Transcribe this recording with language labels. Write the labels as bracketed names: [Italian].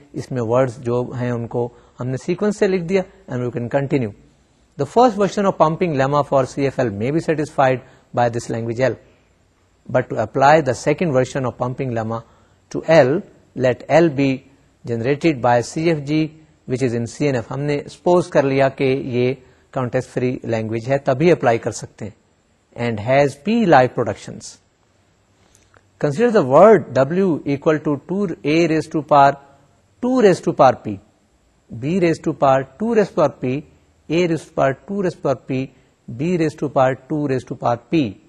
[Urdu] اس میں ورڈز جو ہیں ان کو ہم نے سیکوینس سے لکھ دیا, [English] And we can continue. The first version of pumping lemma for C F L may be satisfied by this language L, but to apply the second version of pumping lemma to L let L be generated by C F G which is in C N F. [Urdu] ہم نے suppose کر لیا کہ یہ context free language ہے, تبھی apply کر سکتے ہیں. [English] And has P live productions. Consider the word W equal to to a raise to power 2^p, b raise to power 2^p, a raise to power 2^p, b raise to power 2^p.